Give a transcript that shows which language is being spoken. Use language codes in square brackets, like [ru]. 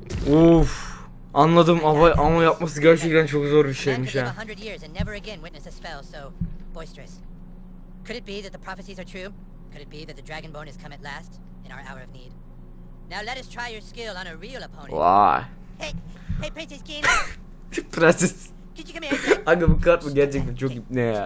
[tr] Uf, anladım abi ama yapması gerçekten çok zor bir şeymiş ha. [en] 100 years and never again witness a spell so boisterous. Could it be that the prophecies are true? Could it be that the dragon bone has come at last in our hour of need? Now let us try your skill on a real opponent. Vay. Hey Princess Keen. Princess. [tr] Aga bu kart mı gerçekten çok ne ya?